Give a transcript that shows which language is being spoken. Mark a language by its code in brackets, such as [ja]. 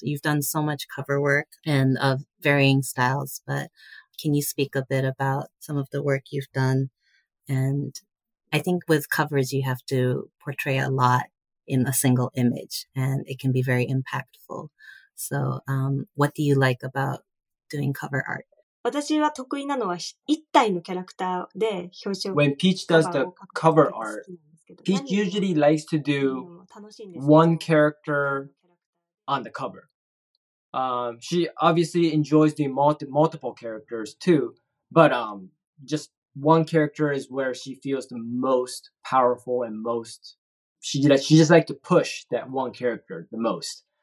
[en] You've done so much cover work and of varying styles, but can you speak a bit about some of the work you've done? And I think with covers, you have to portray a lot in a single image, and it can be very impactful. So, what do you like about doing cover art? [ja] 私は得意なのは一体のキャラクターで表紙を [en] When Peach does the cover art, Peach usually likes to do one character on the cover. She obviously enjoys doing multiple characters too, but just one character is where she feels the most powerful and most, she just likes to push that one character the most.